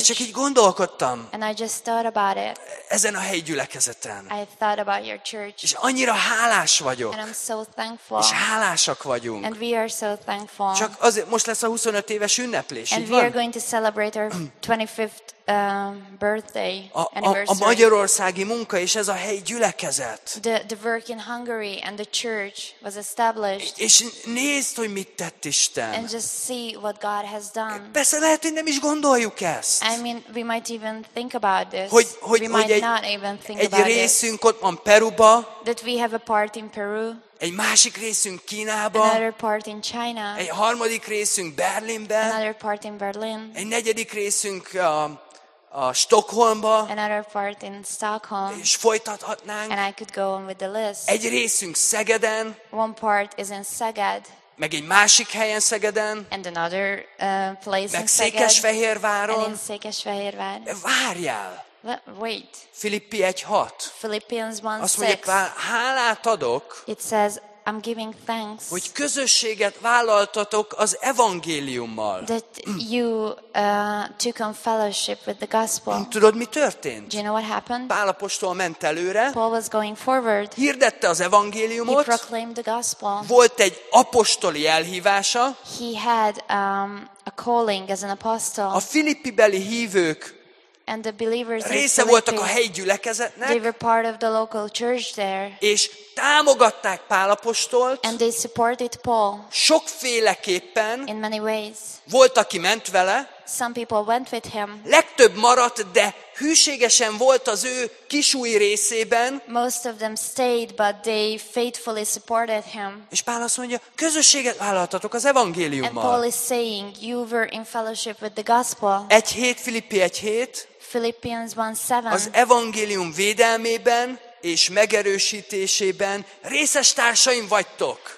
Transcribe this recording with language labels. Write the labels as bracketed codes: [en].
[hu] És csak így gondolkodtam. [en] And I just thought about it. [hu] Ezen a helyi gyülekezeten. [en] I thought about your church. [hu] És annyira hálás vagyok. [en] And I'm so thankful. [hu] És hálásak vagyunk. [en] And we are so thankful. [hu] Csak azért most lesz a 25 éves ünneplés, [en] and [hu] így [en] we [hu] van? [en] Are going to celebrate our 25th birthday anniversary. [hu] A magyarországi munka és ez a hely gyülekezett. [en] The work in Hungary and the church was established. [hu] És nézd, hogy mit tett Isten. [en] And just see what God has done. [hu] Persze lehet, hogy nem is gondoljuk ezt. [en] I mean, we might even think about this. [hu] Hogy egy részünk ott van Peruba. [en] That we have a part in Peru. [hu] Egy másik részünk Kínába. [en] Another part in China. [hu] Egy harmadik részünk Berlinben. [en] Another part in Berlin. [hu] Egy negyedik részünk a Stockholmba. [en] Another part in Stockholm. [hu] És folytathatnánk. [en] And I could go on with the list. [hu] Egy részünk Szegeden. [en] One part is in Szeged. [hu] Meg egy másik helyen Szegeden. [en] And another place [hu] meg in Székesfehérváron. [en] And in Székesfehérvár. [hu] Várjál! [en] Wait. [hu] Filippi 1:6. [en] Philippians 1:6. [hu] Azt mondja, hálát adok. [en] It says, I'm giving thanks. [hu] Hogy közösséget vállaltatok az evangéliummal. [en] That you took on fellowship with the gospel. [hu] Tudod, mi történt? [en] Do you know what happened? [hu] Pál apostol ment előre. [en] Paul was going forward. [hu] Hirdette az evangéliumot. [en] He proclaimed the gospel. [hu] Volt egy apostoli elhívása. [en] He had a calling as an apostle. [hu] A filippibeli hívők. [en] And the believers [hu] része voltak a helyi gyülekezetnek. [en] They were part of the local church there. [hu] És támogatták Pál apostolt. [en] And they supported Paul. [hu] Sokféleképpen. [en] In many ways. [hu] Volt, aki ment vele. [en] Some people went with him. [hu] Legtöbb maradt, de hűségesen volt az ő kisúj részében. [en] Most of them stayed, but they faithfully supported him. [hu] És Pál azt mondja, közösséget vállaltatok az evangéliummal. [en] And Paul is saying, you were in fellowship with the gospel. [hu] 1:7, Filippi 1:7. [en] Philippians 1:7. [hu] Az evangélium védelmében és megerősítésében részes társaim vagytok.